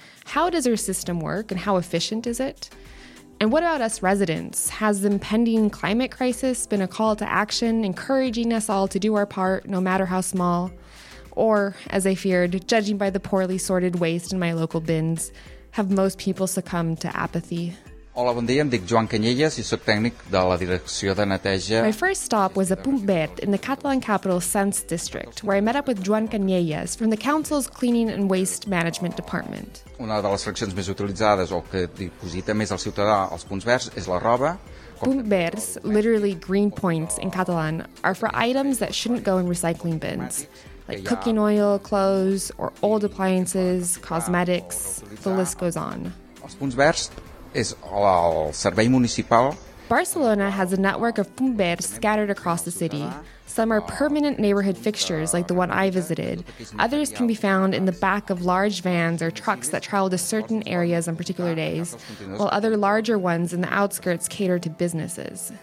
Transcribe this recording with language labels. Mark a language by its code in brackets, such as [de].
[en] How does our system work, and how efficient is it? And what about us residents? Has the impending climate crisis been a call to action, encouraging us all to do our part, no matter how small? Or, as I feared, judging by the poorly sorted waste in my local bins, have most people succumbed to apathy? [ca] Hola, bon dia. Em dic Joan Canyelles I sóc tècnic de la direcció de neteja. [en] My first stop was a Punt Verd in the Catalan capital Sants district, where I met up with Joan Canyelles from the council's cleaning and waste management department. [ca] Una de les seccions més utilitzades o que diposita més el ciutadà als punts verds és la roba. [en] Punt Verds, literally green points in Catalan, are for items that shouldn't go in recycling bins, like cooking oil, clothes, or old appliances, cosmetics, the list goes on. [ca] Els punts verds és el servei municipal. [en] Barcelona has a network of Punt Verds scattered across the city. Some are permanent neighborhood fixtures, like the one I visited. Others can be found in the back of large vans or trucks that travel to certain areas on particular days, while other larger ones in the outskirts cater to businesses.